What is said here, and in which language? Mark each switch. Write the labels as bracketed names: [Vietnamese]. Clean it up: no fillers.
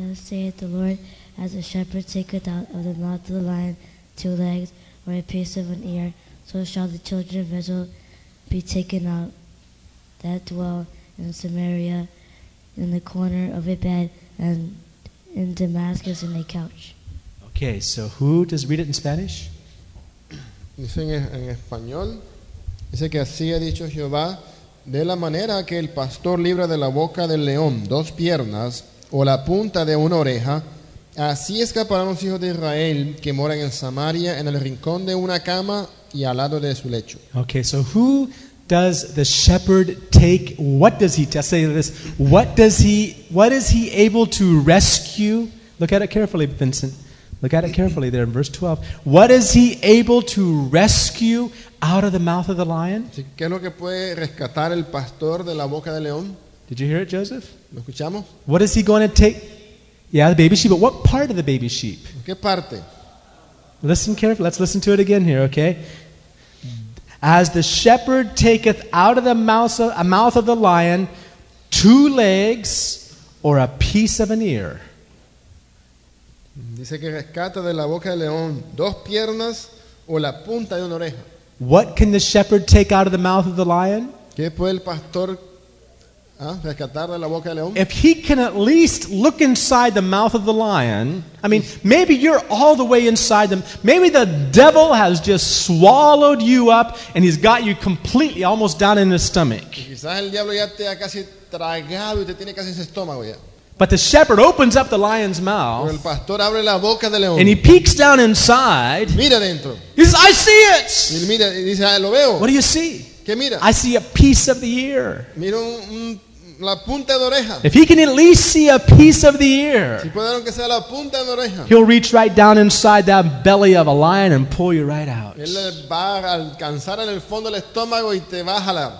[English] Thus saith the Lord, as a shepherd taketh out of the mouth of the lion two legs or a piece of an ear, so shall the children of Israel be taken out that dwell in Samaria, in the corner of a bed, and in Damascus in a couch. Okay, so who does read it in Spanish? [Spanish] Dice en español, dice que así ha dicho Jehová, de la manera que el pastor libra de la boca del león dos piernas o la punta de una oreja, así escaparán los hijos de Israel que moran en Samaria en el rincón de una cama y al lado de su lecho. [English] Okay, so who does the shepherd take, what does he, I'll say this, what is he able to rescue? Look at it carefully, Vincent. Look at it carefully there in verse 12. What is he able to rescue out of the mouth of the lion? [Spanish] ¿Qué es lo que puede rescatar el pastor de la boca del león? [English] Did you hear it, Joseph? [Spanish] ¿Lo escuchamos? [English] What is he going to take? Yeah, the baby sheep, but what part of the baby sheep? [Spanish] ¿Qué parte? [English] Listen carefully. Let's listen to it again here, okay? As the shepherd taketh out of the mouth of the lion two legs or a piece of an ear. [Spanish] Dice que rescata de la boca del león dos piernas o la punta de una oreja. [English] What can the shepherd take out of the mouth of the lion? [Spanish] ¿Qué puede el pastor rescatar de la boca del león? [English] If he can at least look inside the mouth of the lion, I mean, maybe you're all the way inside them. Maybe the devil has just swallowed you up and he's got you completely almost down in his stomach. [Spanish] Quizás el diablo ya te ha casi tragado y te tiene casi ese estómago ya. [English] But the shepherd opens up the lion's mouth. [Spanish] El pastor abre la boca del león. [English] And he peeks down inside. [Spanish] Mira dentro. [English] He says, I see it. [Spanish] Y mira, y dice, ah, lo veo. [English] What do you see? [Spanish] ¿Qué mira? [English] I see a piece of the ear. [Spanish] Mira la punta de oreja. [English] If he can at least see a piece of the ear, [Spanish] si puede dar aunque sea la punta de oreja, [English] he'll reach right down inside that belly of a lion and pull you right out. [Spanish] Él va a alcanzar en el fondo del estómago y te va a jalar.